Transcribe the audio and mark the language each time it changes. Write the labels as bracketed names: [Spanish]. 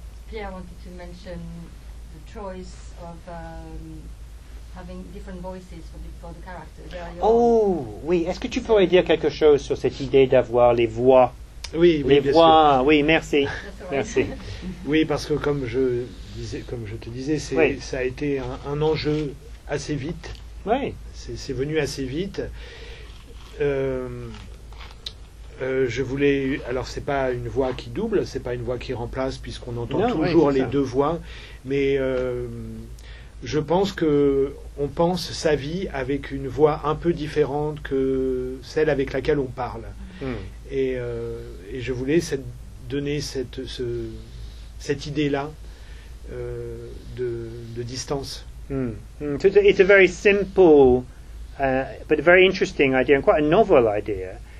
[English] Pierre wanted to mention the choice of having different voices for the characters. [French] Oh, oui. Est-ce que tu pourrais dire quelque chose sur cette idée d'avoir les voix? Oui, bien sûr. Oui, merci. Right. Merci. Oui, parce que comme je te disais, ça a été un enjeu assez vite. Oui. C'est venu assez vite. Je voulais, alors c'est pas une voix qui double, c'est pas une voix qui remplace, puisqu'on entend toujours les deux voix, mais je pense que on pense sa vie avec une voix un peu différente que celle avec laquelle on parle. Et je voulais donner cette idée là de distance. [English] It's a very simple but a very interesting idea and quite a novel idea.